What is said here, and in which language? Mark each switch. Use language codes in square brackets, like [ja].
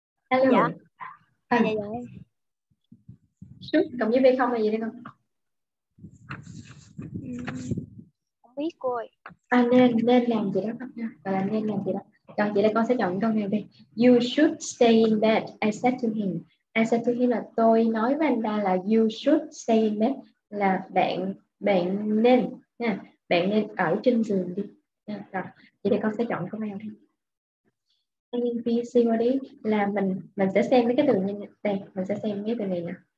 [en] Hello. [vi] Dạ. À. Dạ. Should cộng với V0 là gì đây con? Không biết cô ơi. À, nên làm gì đó con nha. À, nên làm gì đó. Còn chị đây con sẽ chọn câu này đi. [en] You should stay in bed, I said to him. I said to him [vi] là tôi nói với anh ta là [en] you should stay in bed [vi] là bạn nên nha. Bạn nên ở trên giường đi. Chị đây con sẽ chọn câu này đi. NPC body là mình sẽ xem mấy cái từ này đây, mình sẽ xem mấy từ này nè.